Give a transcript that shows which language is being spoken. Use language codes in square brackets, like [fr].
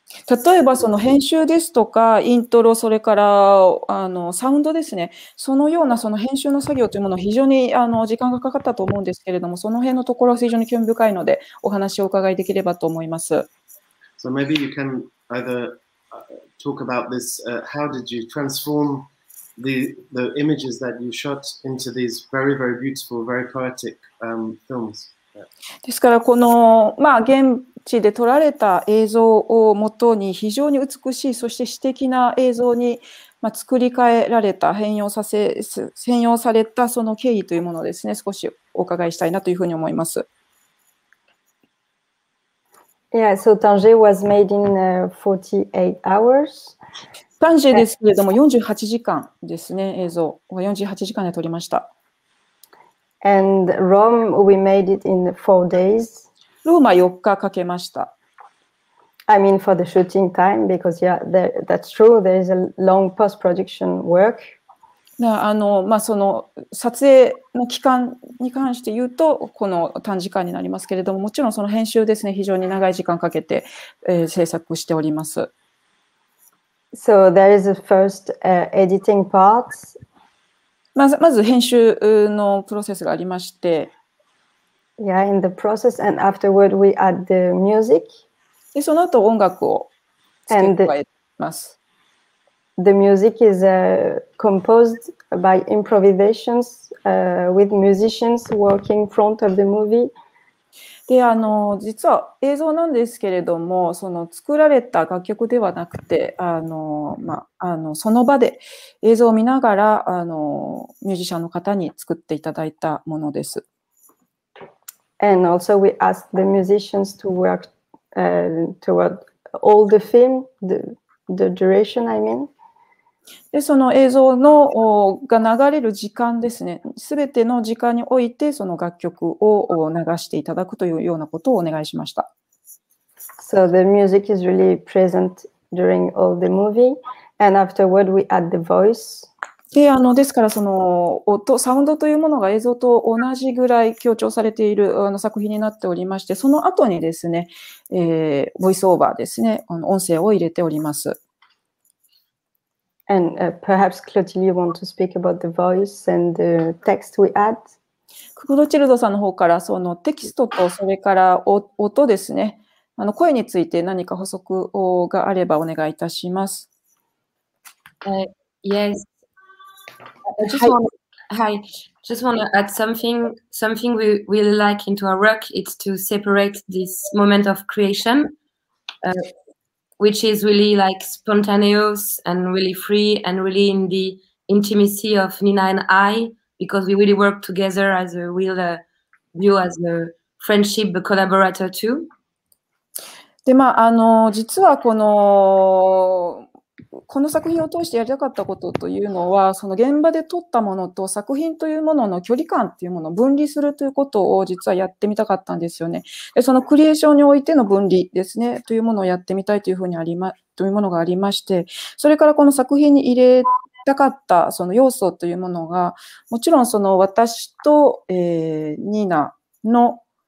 [ja] 例えばその編集ですとかイントロそれからサウンドですね。そのようなその編集の作業というものは非常に時間がかかったと思うんですけれども、その辺のところは非常に興味深いのでお話をお伺いできればと思います。 [en] So maybe you can either talk about this. How did you transform? The images that you shot into these very, very beautiful, very poetic, films. [ja] ですからこの、まあ、現地で撮られた映像をもとに非常に美しいそして詩的な映像に、まあ、作り変えられた変容されたその経緯というものですね少しお伺いしたいなというふうに思います。 [en] Yeah, so Tanger was made in 48 hours. [ja] タンジェですけれども48時間ですね映像は48時間で撮りました。 [en] And Rome we made it in 4 days. [ja] ローマ4日かけました。 [en] I mean for the shooting time because yeah that's true there is a long post-production work. [ja] まあその撮影の期間に関して言うとこの短時間になりますけれどももちろんその編集ですね非常に長い時間かけて、制作しております。 [en] So there is a first editing part. [ja] まず編集のプロセスがありまして。 [en] Yeah, in the process and afterward we add the music. [ja] で、その後音楽を付け加えます。 [en] The music is composed by improvisations with musicians working in front of the movie. [ja] で実は映像なんですけれども、その作られた楽曲ではなくて、その場で映像を見ながらミュージシャンの方に作っていただいたものです。 [en] And also we asked the musicians to work toward all the film, the duration, I mean. [ja] でその映像のが流れる時間ですね、すべての時間においてその楽曲を流していただくというようなことをお願いしました。 [en] So the music is really present during all the movie, and afterward we add the voice. [ja] で、ですからその音、サウンドというものが映像と同じぐらい強調されている作品になっておりまして、その後にですね、ボイスオーバーですね、音声を入れております。 [en] And perhaps Clotilde want to speak about the voice and the text we add. [ja] Clotilde さんの方からそのテキストとそれから音ですね。声について何か補足があればお願いいたします。 [en] Yes. I just want to add something we really like into our work. It's to separate this moment of creation. Which is really like spontaneous and really free and really in the intimacy of Nina and I, because we really work together as a real view, as a friendship, a collaborator too. [ja] で、まあ、実はこの作品を通してやりたかったことというのは、その現場で撮ったものと作品というものの距離感というものを分離するということを実はやってみたかったんですよね。で、そのクリエーションにおいての分離ですね、というものをやってみたいというふうにというものがありまして、それからこの作品に入れたかったその要素というものが、もちろんその私と、ニーナの